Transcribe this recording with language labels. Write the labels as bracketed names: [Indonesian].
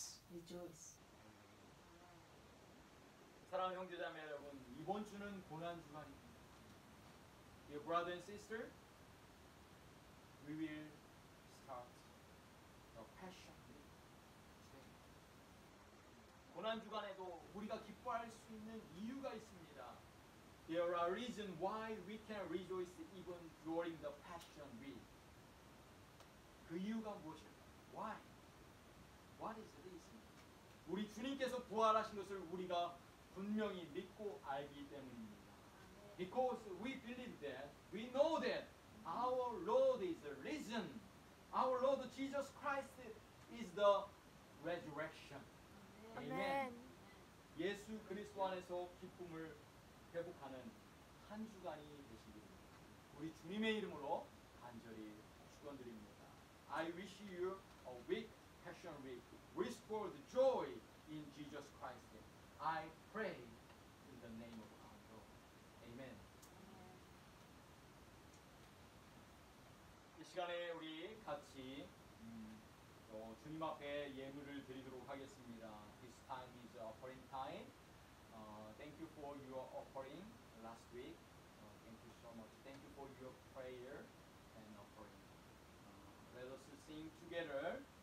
[English] Rejoice. [Korean] 사랑하는 형제자매 여러분, 이번 주는 고난 주간입니다. [English] Dear brother and sister, we will start the passion. [Korean] 고난 주간에도 우리가 기뻐할 수 있는 이유가 있습니다. [English] There are reasons why we can rejoice even during the Passion Week. [Korean] 그 이유가 무엇일까요? [English] Why? What is the reason? [Korean] 우리 주님께서 부활하신 것을 우리가 분명히 믿고 알기 때문입니다. [English] Because we believe that, we know that our Lord is risen. Our Lord Jesus Christ is the resurrection. [Korean] 아멘. 예수 그리스도 안에서 기쁨을 회복하는 한 주간이 되시길 우리 주님의 이름으로 간절히 축원드립니다. [English] I wish you a week, passion week, restored joy in Jesus Christ. I pray in the name of our Lord. Amen. [Korean] 이 시간에 우리 같이 주님 앞에 예물을 드리도록 하겠습니다. [English] This time is offering time. Thank you for your offering last week. Thank you so much. Thank you for your prayer and offering. Let us sing together.